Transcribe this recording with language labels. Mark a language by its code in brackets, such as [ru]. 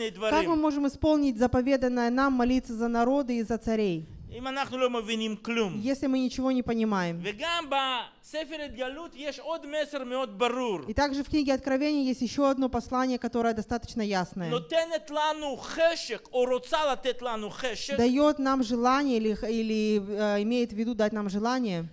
[ru] как мы можем исполнить заповеданное нам молиться за народы и за царей? [he] אם אנחנו לא מבינים כלום. [ru] Если мы ничего не понимаем. [he] וגם בספר התגלות יש עוד מסר מאוד ברור. [ru] И также в книге Откровения есть еще одно послание, которое достаточно ясное. [he] נותנת לנו חשק, או רוצה לתת לנו חשק. [ru] Дает нам желание или имеет в виду дать нам желание.